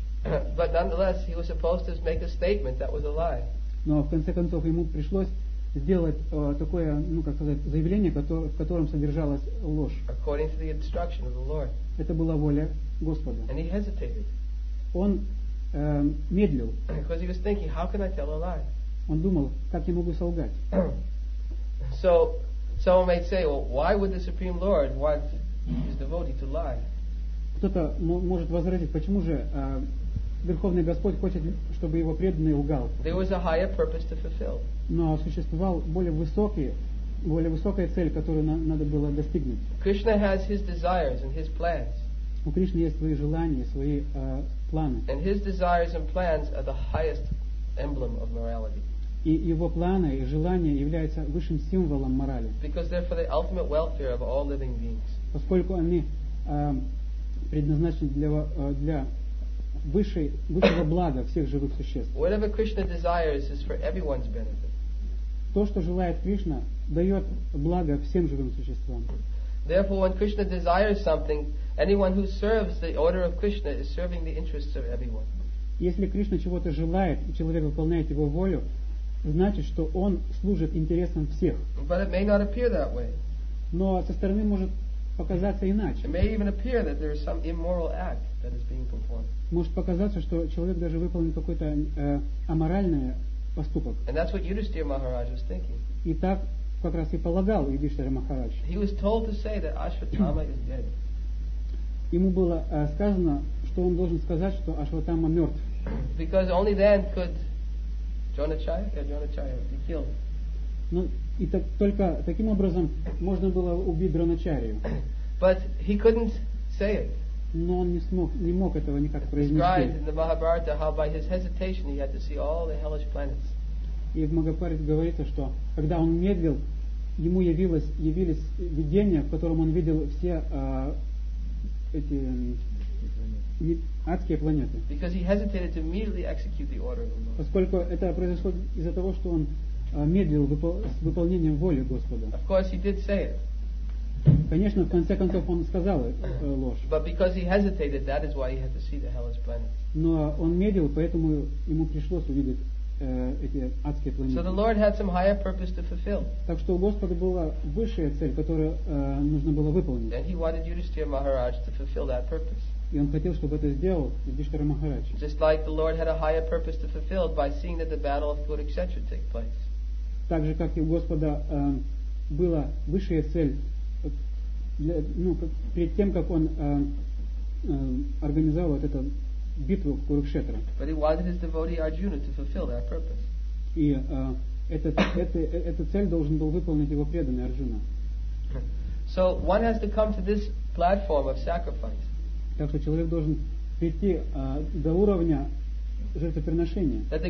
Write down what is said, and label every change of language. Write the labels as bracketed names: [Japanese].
[English] But nonetheless, he was supposed to make a statement that was a lie. [Russian] Но в конце концов ему пришлось сделать такое, заявление, в котором содержалась ложь. [English] According to the instruction of the Lord. [Russian] Это была воля Господа. [English] And he hesitated. [Russian] Он медлил. [English] Because he was thinking, how can I tell a lie? [Russian] Он думал, как я могу солгать? [English] So someone might say, well, why would the Supreme Lord want his devotee to lie? [Russian] Кто-то может возразить, почему же Верховный Господь хочет, чтобы его преданный лгал. [English] There was a higher purpose to fulfill. [Russian] Но существовал более высокая цель, которую надо было достигнуть. [English] Krishna has his desires and his plans. [Russian] У Кришны есть свои желания, свои планы. [English] And his desires and plans are the highest emblem of morality. [Russian] И его планы и желания являются высшим символом морали. [English] Because they're for the ultimate welfare of all living beings. [Russian] Поскольку они предназначен для высшего блага всех живых существ. [English] Whatever Krishna desires is for everyone's benefit. [Russian] То, что желает Кришна, дает благо всем живым существам. [English] Therefore, when Krishna desires something, anyone who serves the order of Krishna is serving the interests of everyone. [Russian] Если Кришна чего-то желает, и человек выполняет его волю, значит, что он служит интересам всех. [English] But it may not appear that way. [Russian] Но со стороны может показаться иначе. [English] It may even appear that there is some immoral act that is being performed. [Russian] Может показаться, что человек даже выполнил какой-то аморальный поступок. [English] And that's what Yudhishthira Maharaj was thinking. [Russian] И так как раз и полагал Юдхиштхира Махарадж. [English] He was told to say that Ashwatthama is dead. [Russian] Ему было сказано, что он должен сказать, что Ашватама мертв. [English] Because only then could Дроначарья be killed. [Russian] Ну, и так, только таким образом можно было убить Дроначарью. [English] But he couldn't say it. [Russian] Но он не мог этого никак произнести. [English] Described in the Mahabharata how by his hesitation he had to see all the hellish planets. [Russian] И в Махабхарате говорится, что когда он медлил, ему явились видения, в котором он видел все эти адские планеты. [English] Because he hesitated to immediately execute the order of the Lord. [Russian] Поскольку это произошло из-за того, что он медлил с выполнением воли Господа. [English] Of course, he did say it. [Russian] Конечно, в конце концов он сказал ложь. [English] But because he hesitated, that is why he had to see the hellish planets. [Russian] Но он медлил, поэтому ему пришлось увидеть эти адские планеты. [English] So the Lord had some higher purpose to fulfill. [Russian] Так что у Господа была высшая цель, которую нужно было выполнить. [English] And he wanted Yudhishthira Maharaj to fulfill that purpose. [Russian] И он хотел, чтобы это сделал Юдхиштхира Махарадж. [English] Just like the Lord had a higher purpose to fulfill by seeing that the battle of Kurukshetra took place. [Russian] Так же, как и у Господа была высшая цель для, ну, перед тем, как он организовал вот эту битву в Курукшетре. [English] But he wanted his devotee Arjuna to fulfill that purpose. [Russian] И эта цель должен был выполнить его преданный Арджуна. [English] So one has to come to this platform of sacrifice. [Russian] Так что человек должен прийти до уровня жертвоприношения.